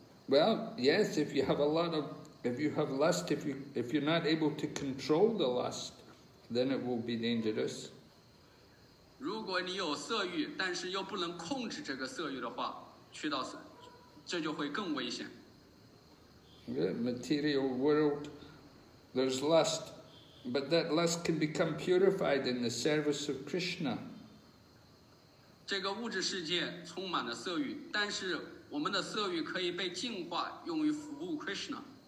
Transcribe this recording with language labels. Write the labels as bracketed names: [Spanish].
[English] Well, yes, if you're not able to control the lust, then it will be dangerous. [Chinese] 如果你有色欲，但是又不能控制这个色欲的话，这就会更危险。 [English] The material world, there's lust. But that lust can become purified in the service of Krishna. [Chinese] 这个物质世界充满了色欲，但是我们的色欲可以被净化，用于服务 Krishna.